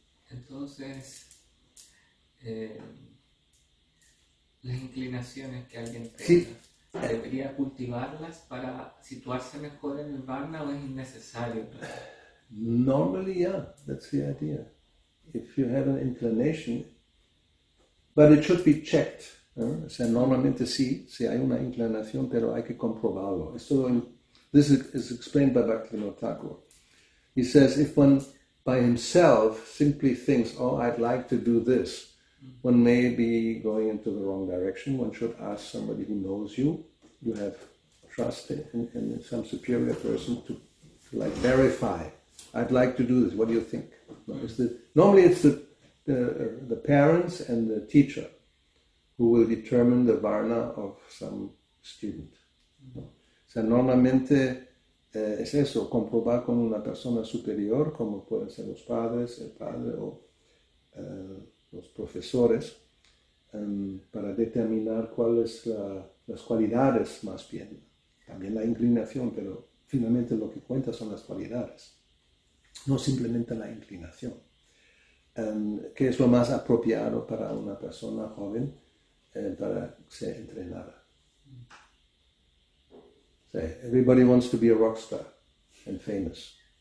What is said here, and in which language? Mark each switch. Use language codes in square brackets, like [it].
[es] Entonces, las inclinaciones que alguien tenga, sí, ¿debería cultivarlas para situarse mejor en el varna o es innecesario? [en] Normally, yeah, that's the idea. If you have an inclination, but it should be checked. [es] O sea, normalmente sí hay una inclinación, pero hay que comprobarlo. [en] This is explained by Bhaktivinoda Thakur. He says, if one by himself simply thinks, oh, I'd like to do this, one may be going into the wrong direction. One should ask somebody who knows you, you have trust in some superior person to like verify I'd like to do this. What do you think? Normally it's the parents and the teacher who will determine the varna of some student. [es] So normalmente es eso, comprobar con una persona superior, como pueden ser los padres, el padre o los profesores, para determinar cuáles las cualidades más bien. También la inclinación, pero finalmente lo que cuenta son las cualidades, no simplemente la inclinación. ¿Qué es lo más apropiado para una persona joven para ser entrenada? [en] So, everybody wants to be a rock star and famous.